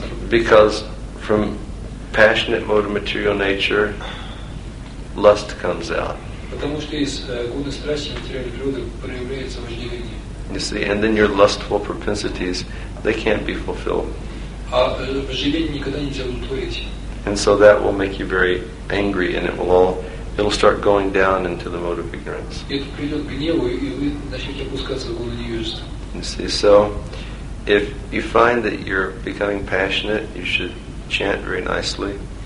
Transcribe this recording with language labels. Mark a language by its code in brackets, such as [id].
[en] Because from passionate mode of material nature, lust comes out. [ru] Потому что из гуны страсти материальной природы проявляется вожделение. [en] You see, and then your lustful propensities, they can't be fulfilled. [ru] А вожделение никогда нельзя удовлетворить. [en] And so that will make you very angry, and it will all it'll start going down into the mode of ignorance. You see, so if you find that you're becoming passionate, you should chant very nicely.